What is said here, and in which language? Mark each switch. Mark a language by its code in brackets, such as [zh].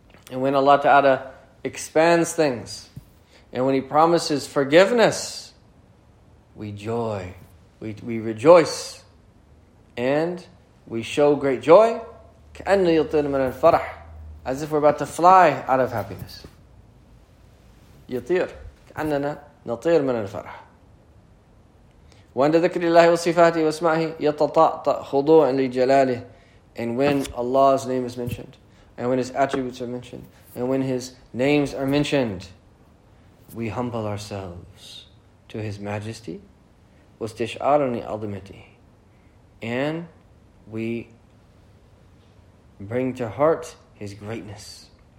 [en] And when Allah Ta'ala expands things, and when He promises forgiveness, we joy, we rejoice, and we show great joy. [ar] كَأَنَّ يَطِيرُ مِنَ الْفَرَحِ. [en] As if we're about to fly out of happiness. [ar] يطير كأننا نطير من الفرح. وعند ذكر الله وصفاته واسمائه يتطأطأ خضوعا لجلاله. [en] And when Allah's name is mentioned, and when His attributes are mentioned, and when His names are mentioned, we humble ourselves to His majesty, [ar] واستشعارا لعظمته. [en] And we bring to heart His greatness.